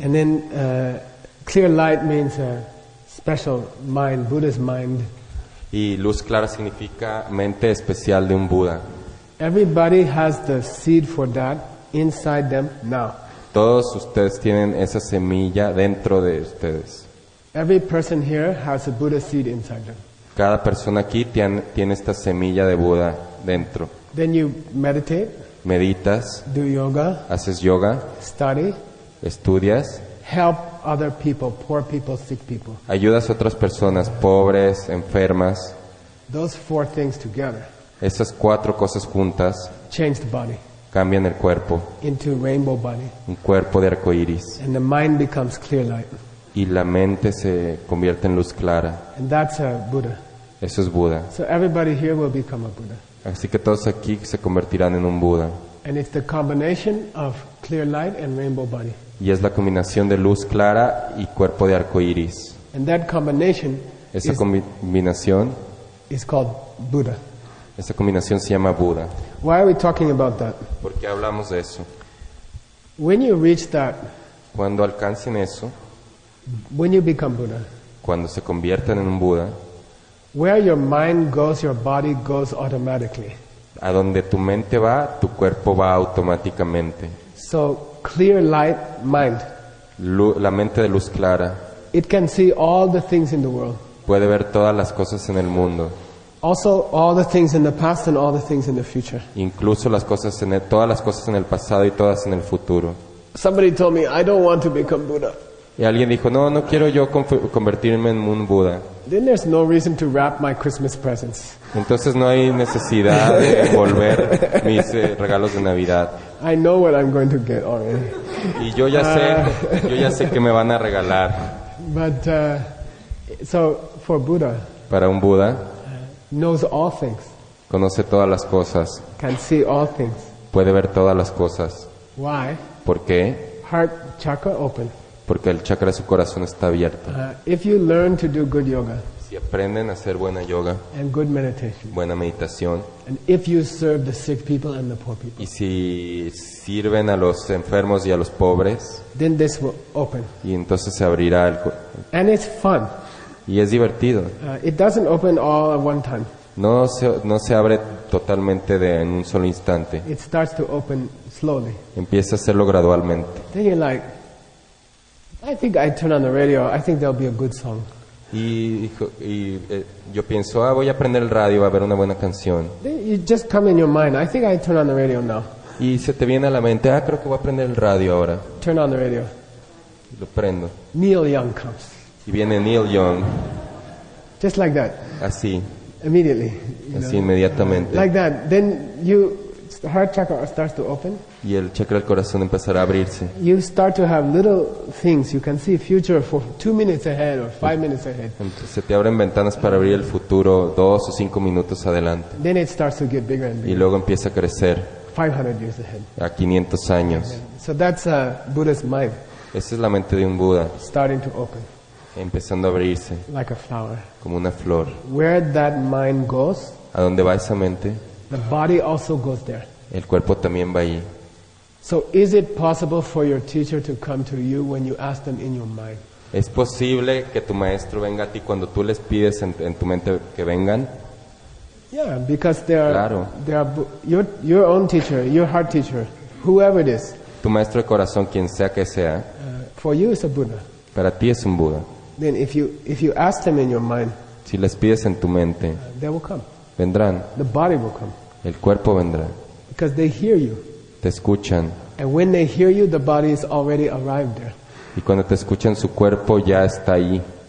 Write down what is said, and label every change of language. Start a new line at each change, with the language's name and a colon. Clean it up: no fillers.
English: And then, clear light means a special mind, Buddha's mind.
Spanish: Y luz clara significa mente especial de un Buda.
English: Everybody has the seed for that inside them now.
Spanish: Todos ustedes tienen esa semilla dentro de ustedes.
English: Every person here has a Buddha seed inside them.
Spanish: Cada persona aquí tiene esta semilla de Buda dentro.
English: Then you meditate.
Spanish: Meditas.
English: Do yoga.
Spanish: Haces yoga.
English: Study.
Spanish: Estudias.
English: Help other people, poor people, sick people.
Spanish: Ayudas a otras personas, pobres, enfermas.
English: Those four things together.
Spanish: Esas cuatro cosas juntas.
English: Change the body.
Spanish: Cambian el cuerpo.
English: Into a rainbow body.
Spanish: Un cuerpo de arco iris.
English: And the mind becomes clear light.
Spanish: Y la mente se convierte en luz clara.
English: And that's a Buddha.
Spanish: Eso es Buda.
English: So everybody here will become a Buddha.
Spanish: Así que todos aquí se convertirán en un Buda.
English: And it's the combination of clear light and rainbow body.
Spanish: Y es la combinación de luz clara y cuerpo de arco iris.
English: And that combination,
Spanish: esa combinación
English: is called Buddha.
Spanish: Esa combinación se llama Buda.
English: Why are we talking about that?
Spanish: ¿Por qué hablamos de eso?
English: When you reach that,
Spanish: cuando alcancen eso,
English: when you become Buddha,
Spanish: cuando se conviertan en un Buddha,
English: where your mind goes, your body goes automatically.
Spanish: A donde tu mente va, tu cuerpo va automáticamente.
English: So, clear light mind.
Spanish: La mente de luz clara.
English: It can see all the things in the world.
Spanish: Puede ver todas las cosas en el mundo.
English: Also, all the things in the past and all the things in the future.
Spanish: Incluso todas las cosas en el pasado y todas en el futuro.
English: Somebody told me, I don't want to become Buddha.
Spanish: Y alguien dijo, no, no quiero yo convertirme en un Buddha.
English: Then there's no reason to wrap my Christmas presents.
Spanish: Entonces no hay necesidad de envolver mis regalos de Navidad.
English: I know what I'm going to get already.
Spanish: Y yo ya sé qué me van a regalar.
English: But so for Buddha.
Spanish: Para un Buda.
English: Knows all things.
Spanish: Conoce todas las cosas.
English: Can see all things.
Spanish: Puede ver todas las cosas.
English: Why?
Spanish: ¿Por qué?
English: Heart chakra open.
Spanish: Porque el chakra de su corazón está abierto.
English: If you learn to do good yoga,
Spanish: si aprenden a hacer buena yoga,
English: and good meditation,
Spanish: buena meditación,
English: and if you serve the sick people and the poor people,
Spanish: y si sirven a los enfermos y a los pobres,
English: then this will open.
Spanish: Y entonces se abrirá el.
English: And it's fun.
Spanish: Y es divertido.
English: It doesn't open all at one time.
Spanish: No se abre totalmente en un solo instante.
English: It starts to open slowly.
Spanish: Empieza a hacerlo gradualmente.
English: Then you're like, I think I turn on the radio. I think there'll be a good song.
Spanish: Y yo pienso, ah, voy a prender el radio, va a haber una buena canción.
English: It just come in your mind. I think I turn on the radio now.
Spanish: Y se te viene a la mente, ah, creo que voy a prender el radio ahora.
English: Turn on the radio.
Spanish: Y lo prendo.
English: Neil Young comes.
Spanish: Y viene Neil Young.
English: Just like that.
Spanish: Así.
English: Immediately.
Spanish: Así, know? Inmediatamente.
English: Like that. Then you, the heart chakra starts to open.
Spanish: Y el chakra del corazón empezará a abrirse.
English: You start to have little things. You can see future for 2 minutes ahead or 5 minutes ahead.
Spanish: Entonces, se te abren ventanas para abrir el futuro 2 o 5 minutos adelante.
English: Then it starts to get bigger and bigger.
Spanish: Y luego empieza a crecer.
English: 500 years ahead.
Spanish: A 500 años.
English: So that's a Buddha's mind.
Spanish: Esa es la mente de un Buda.
English: Starting to open.
Spanish: Empezando a abrirse.
English: Like a flower.
Spanish: Como una flor.
English: Where that mind goes.
Spanish: ¿A dónde va esa mente?
English: The body also goes there.
Spanish: El cuerpo también va allí.
English: So is it possible for your teacher to come to you when you ask them in your mind?
Spanish: ¿Es posible que tu maestro venga a ti cuando tú les pides en tu mente que vengan?
English: Yeah, because they are,
Spanish: claro.
English: They are your own teacher, your heart teacher, whoever it is.
Spanish: Tu maestro de corazón, quien sea que sea.
English: For you is a Buddha.
Spanish: Para ti es un Buda.
English: Then if you ask them in your mind.
Spanish: Si les pides en tu mente.
English: They will come.
Spanish: Vendrán.
English: The body will come.
Spanish: El cuerpo vendrá.
English: Because they hear you.
Spanish: Te escuchan.
English: And when they hear you, the body is already arrived there.
Spanish: Y cuando te escuchan, su cuerpo ya está ahí.